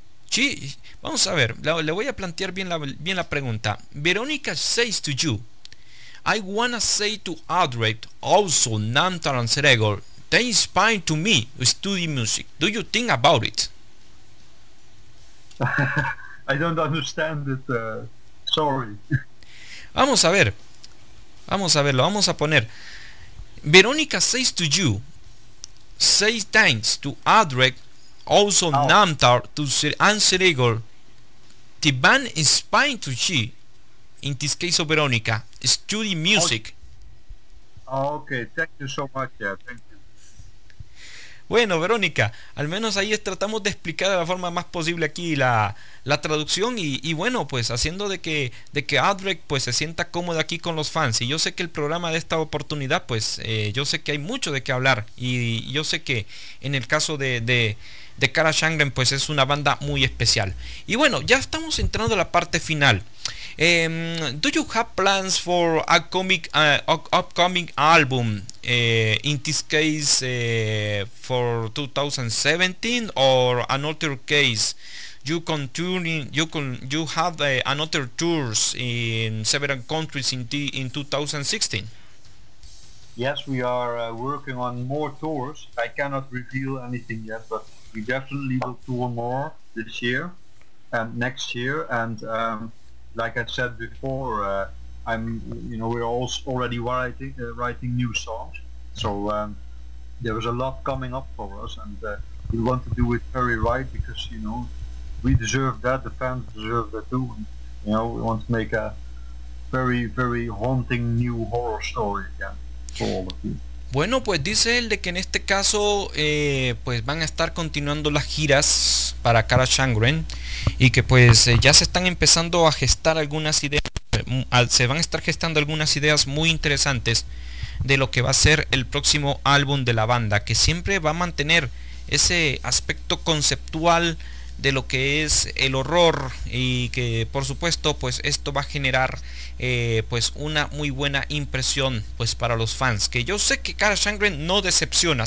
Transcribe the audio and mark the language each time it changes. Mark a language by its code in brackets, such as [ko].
[es] Sí, vamos a ver, le voy a plantear bien la pregunta. [en] Verónica says to you, I wanna say to Adric, also Namtar and Sregor, they inspire to me to study music. Do you think about it? I don't understand it, sorry. [es] Vamos a verlo, vamos a poner. [en] Verónica says to you, say thanks to Adric, also Namtar and Sregor, The band is fine to she, in this case of Veronica, study music. Oh, okay, thank you so much. Yeah, thank you. [es] Bueno, Verónica, al menos ahí tratamos de explicar de la forma más posible aquí la traducción y bueno, pues haciendo de que Adric pues se sienta cómodo aquí con los fans. Y yo sé que el programa de esta oportunidad, pues yo sé que hay mucho de qué hablar. Y yo sé que en el caso de Carach Angren, pues es una banda muy especial. Y bueno, ya estamos entrando a la parte final. [en] Do you have plans for a comic upcoming album in this case for 2017 or another case you have another tours in several countries in 2016? Yes, we are working on more tours. I cannot reveal anything yet, but we definitely will tour more this year and next year, and like I said before, we're all already writing new songs, so there is a lot coming up for us, and we want to do it very right, because you know we deserve that, the fans deserve that too. And, you know, we want to make a very, very haunting new horror story again for all of you. [es] Bueno, pues dice él de que en este caso pues van a estar continuando las giras para Carach Angren y que pues ya se están empezando a gestar algunas ideas, se van a estar gestando algunas ideas muy interesantes de lo que va a ser el próximo álbum de la banda, que siempre va a mantener ese aspecto conceptual de lo que es el horror y que por supuesto pues esto va a generar pues una muy buena impresión pues para los fans, que yo sé que Carach Angren no decepciona.